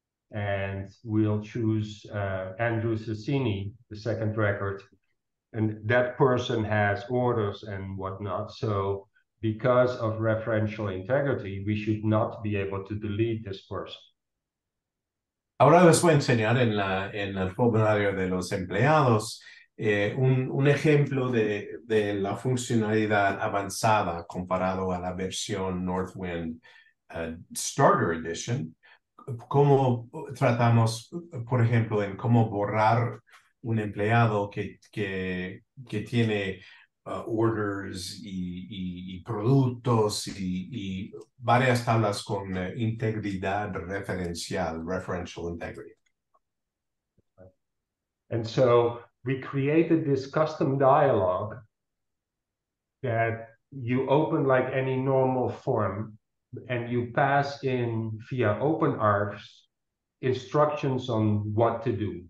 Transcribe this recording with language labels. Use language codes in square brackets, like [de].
[en] And we'll choose Andrew Sassini, the second record. And that person has orders and whatnot. So because of referential integrity, we should not be able to delete this person. [es] Ahora les voy a enseñar en el formulario de los empleados un ejemplo de la funcionalidad avanzada comparado a la versión Northwind Starter Edition. Cómo tratamos, por ejemplo, en cómo borrar un empleado que tiene orders y productos y varias tablas con integridad referencial, [en] referential integrity. And so we created this custom dialogue that you open like any normal form, and you pass in via OpenArcs instructions on what to do.